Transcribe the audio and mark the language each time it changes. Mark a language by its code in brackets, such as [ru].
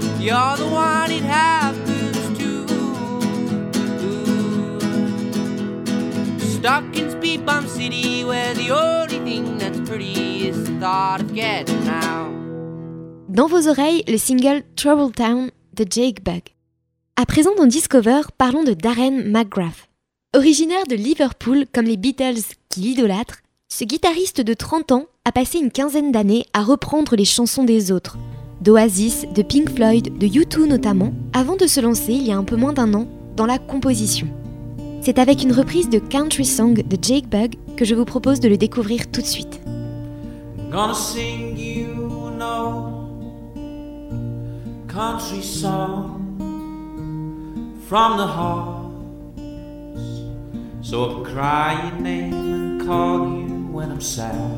[en] You're the one it happens to. Ooh. Stuck in Speed Bump City, where the only thing that's pretty is the thought of getting out. [fr] Dans vos oreilles, le single Trouble Town de Jake Bugg. À présent dans Discover, parlons de Darren McGrath. Originaire de Liverpool, comme les Beatles qui l'idolâtrent, ce guitariste de 30 ans a passé une quinzaine d'années à reprendre les chansons des autres. D'Oasis, de Pink Floyd, de U2 notamment, avant de se lancer il y a un peu moins d'un an dans la composition. C'est avec une reprise de Country Song de Jake Bugg que je vous propose de le découvrir tout de suite. [en] Gonna sing you an old country song from the halls. So I'll cry your name and call you when I'm sad.